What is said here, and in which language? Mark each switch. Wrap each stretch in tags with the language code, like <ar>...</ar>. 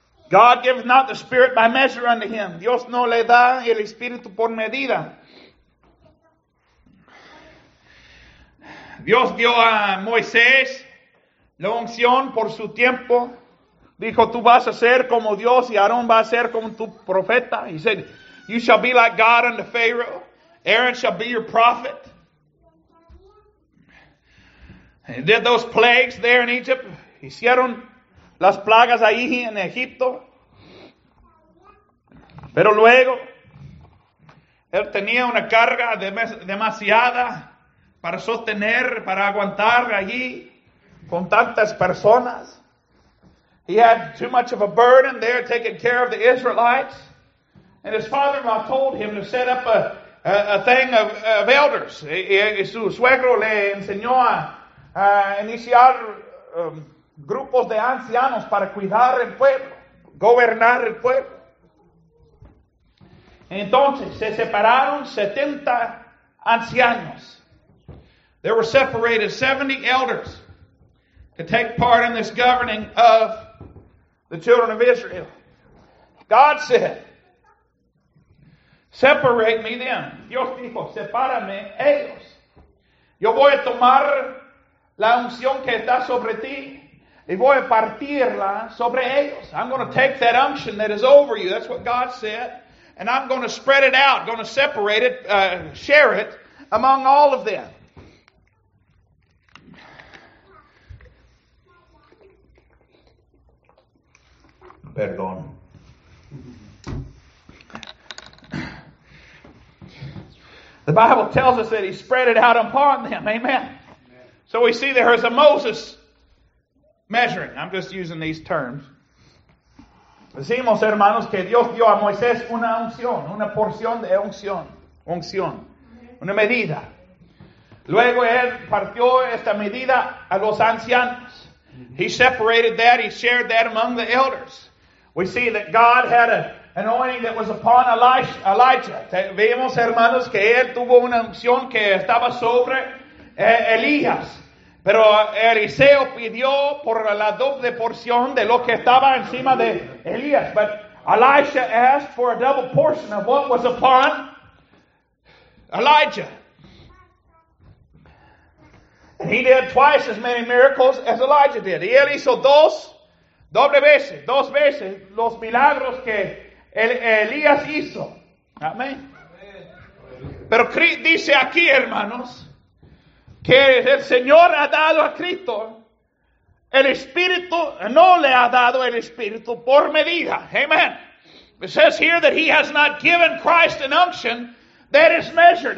<en>God gives not the spirit by measure unto him.</en> <es>Dios no le da el espíritu por medida. Dios dio a Moisés la unción por su tiempo. Dijo, tú vas a ser como Dios y Aarón va a ser como tu profeta.</es> <en>He said, you shall be like God unto Pharaoh. Aaron shall be your prophet. He did those plagues there in Egypt.</en> <es>Hicieron las plagas ahí en Egipto. Pero luego, él tenía una carga demasiada para sostener, para aguantar allí con tantas personas.</es> <en>He had too much of a burden there taking care of the Israelites. And his father-in-law told him to set up a thing of elders.</en> <es>Y su suegro le enseñó a iniciar grupos de ancianos para cuidar el pueblo, gobernar el pueblo. Entonces se separaron 70 ancianos.</es> <en>There were separated 70 elders to take part in this governing of the children of Israel. God said, separate me them.</en> <es>Dios dijo, sepárame ellos. Yo voy a tomar la unción que está sobre ti y voy a partirla sobre ellos.</es> <en>I'm going to take that unction that is over you. That's what God said. And I'm going to spread it out, going to separate it, share it among all of them.</en> <es>Perdón.</es> <en>The Bible tells us that he spread it out upon them. Amen. Amen. So we see there is a Moses measuring. I'm just using these terms.</en> <es>Decimos, hermanos, que Dios dio a Moisés una unción, una porción de unción, unción, una medida. Luego él partió esta medida a los ancianos.</es> <en>He separated that, he shared that among the elders. We see that God had an anointing that was upon Elijah.</en> <es>Vemos, hermanos, que él tuvo una unción que estaba sobre Elías. Pero Eliseo pidió por la doble porción de lo que estaba encima de Elías.</es> <en>But Elisha asked for a double portion of what was upon Elijah. And he did twice as many miracles as Elijah did.</en> <es>Y él hizo dos veces los milagros que Elías hizo. Amén. Pero dice aquí, hermanos, que el Señor ha dado a Cristo el Espíritu, no le ha dado el Espíritu por medida. Amen.</es> <en>It says here that he has not given Christ an unction that is measured.</en>